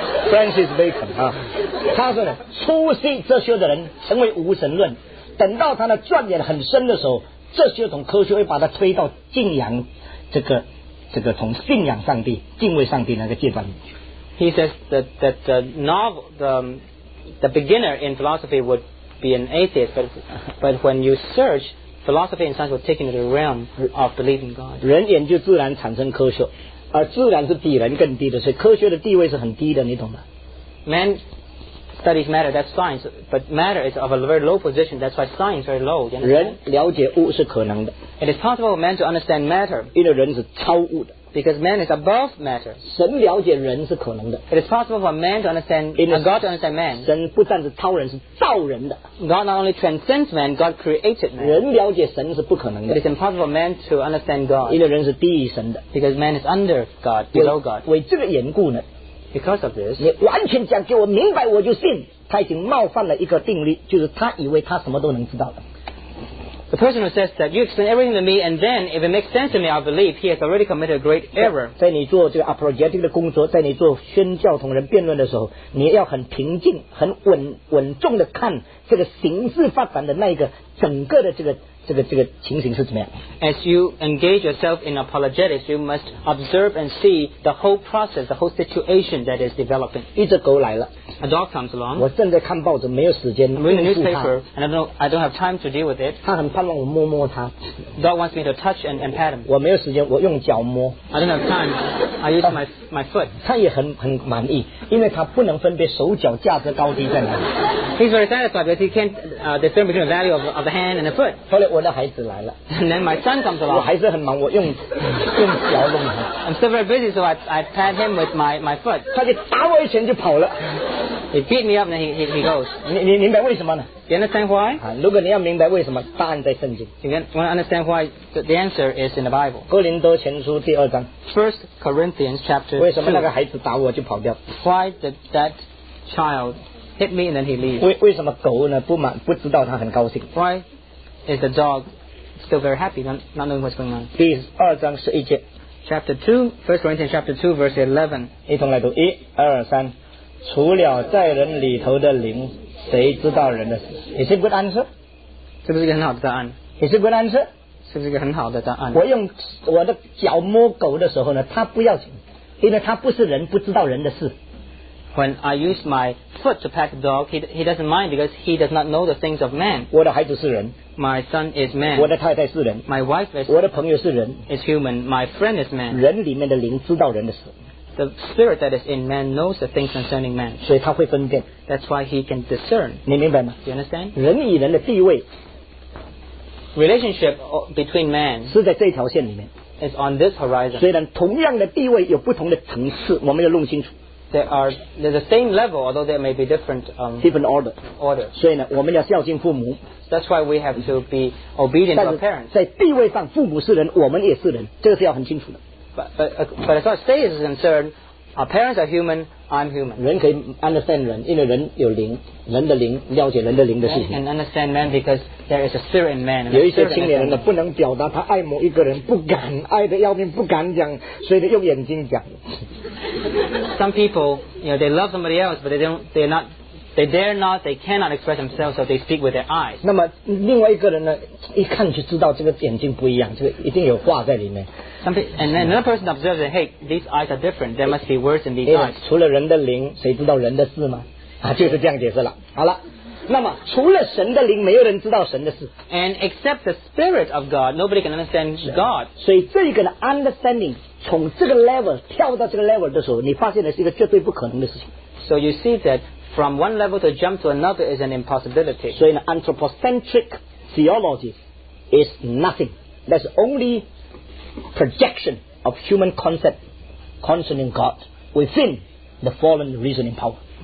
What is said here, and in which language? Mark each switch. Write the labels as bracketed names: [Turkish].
[Chinese] Francis Bacon 啊，他说呢，初信哲学的人成为无神论，等到他的钻研很深的时候，哲学从科学会把他推到敬仰这个从信仰上帝、敬畏上帝那个阶段。 [English] He says that the novel, the beginner in philosophy would be an atheist, but when you search, philosophy and science will take into the realm of believing God. [Chinese] 人研究自然产生科学，而自然是比人更低的，所以科学的地位是很低的，你懂吗 [English] ？Man studies matter, that's science, but matter is of a very low position. That's why science is very low. [Chinese] 人了解物是可能的。 [English] It is possible for man to understand matter. [Chinese] 因为人是超物的。 [English] Because man is above matter. [Chinese] 神了解人是可能的。 [English] It is possible for man to understand, for God to understand man. [Chinese] 神不但是超人，是造人的。 [English] God not only transcends man, God created man. [Chinese] 人了解神是不可能的。 [English] It is impossible for man to understand God. [Chinese] 因为人是低于神的。 [English] Because man is under God, below God. [Chinese] 为这个缘故呢？ [English] Because of this, [Chinese] 你完全讲给我明白，我就信。他已经冒犯了一个定律，就是他以为他什么都能知道了。 [English] The person who says that you explain everything to me, and then if it makes sense to me, I believe he has already committed a great error. [Chinese] 在你做这个 apologetic 的工作，在你做宣教同人辩论的时候，你要很平静、很稳重的看这个形式发展的那一个整个的这个情形是怎么样。 [English] As you engage yourself in apologetics, you must observe and see the whole process, the whole situation that is developing. [Chinese] 一只狗来了。 [English] A dog comes along. [Chinese] 我正在看报纸，没有时间。 [English] I'm reading the newspaper, and I don't have time to deal with it. [Chinese] 他很盼望我摸摸他。 [English] Dog wants me to touch and pat him. [Chinese] 我没有时间，我用脚摸。 [English] I don't have time. I use my foot. [Chinese] 他也很满意，因为他不能分别手脚价值高低在哪里。 [English] He's very satisfied because he can't discern between the value of the hand and the foot. [Chinese] 后来我的孩子来了。 [English] And then my son comes along. [Chinese] 我还是很忙，我用脚弄他。 [English] I'm still very busy, so I pat him with my foot. [Chinese] 他就打我一拳就跑了。 [English] He beat me up and he goes. [Chinese] 你明白为什么呢？ [English] You understand why? [Chinese] 如果你要明白为什么，答案在圣经。 [English] You want to understand why? The answer is in the Bible. [Chinese] 哥林多前书第二章。 [English] First Corinthians chapter 2. [Chinese] 为什么那个孩子打我就跑掉 [English] ？Why did that child hit me and then he leaves? [Chinese] 为什么狗呢？不知道他很高兴。 [English] Why is the dog still very happy, not knowing what's going on? [Chinese] 第二章十一节。 [English] Chapter 2, First Corinthians chapter 2, verse 11. [Chinese] 一同来读一二三，除了在人里头的灵。谁知道人的事 ？ [English] Is it good answer？ [Chinese] 是不是一个很好的答案 [English] ？Is it good answer？ [Chinese] 是不是一个很好的答案？我用我的脚摸狗的时候呢，它不要紧，因为它不是人，不知道人的事。 [English] When I use my foot to pat the dog, he doesn't mind because he does not know the things of man. [Chinese] 我的孩子是人。 [English] My son is man. [Chinese] 我的太太是人。 [English] My wife is. [Chinese] 我的朋友是人。 [English] Is human. My friend is man. [Chinese] 人里面的灵知道人的事。 [English] The spirit that is in man knows the things concerning man. [Chinese] 所以他会分辨。 [English] That's why he can discern. [Chinese] 你明白吗？ [English] Do you understand? [Chinese] 人与人的地位。 [English] Relationship between man. [Chinese] 是在这一条线里面。 [English] Is on this horizon. [Chinese] 虽然同样的地位有不同的层次，我们要弄清楚。 [English] There's the same level, although there may be different, different order. Order. [Chinese] 所以呢，我们要孝敬父母。 [English] That's why we have to be obedient to our parents. [Chinese] 在地位上，父母是人，我们也是人，这个是要很清楚的。 [English] But as far as status is concerned, our parents are human. I'm human. [Chinese] 人可以 understand 人，因为人有灵，人的灵了解人的灵的事情。 [English] Can understand man because there is a spirit in man. [Chinese] 有一些青年人呢，不能表达他爱某一个人，不敢爱的要命，不敢讲，所以用眼睛讲。 [English] Some people, you know, they love somebody else, but they cannot express themselves, so they speak with their eyes. [Chinese] 那么另外一个人呢，一看就知道这个眼睛不一样，这个一定有话在里面。 [English] And then another person observes that, hey, these eyes are different. There must be words in these eyes. [Chinese] 除了人的灵，谁知道人的事吗？啊，就是这样解释了。好了，那么除了神的灵，没有人知道神的事。 [English] And except the spirit of God, nobody can understand God. [Chinese] 所以这个的 understanding 从这个 level 跳到这个 level 的时候，你发现的是一个绝对不可能的事情。 [English] So you see that from one level to jump to another is an impossibility. [Chinese] 所以呢 [English] anthropocentric theology is nothing. That's only projection of human concept concerning God within the fallen reasoning power.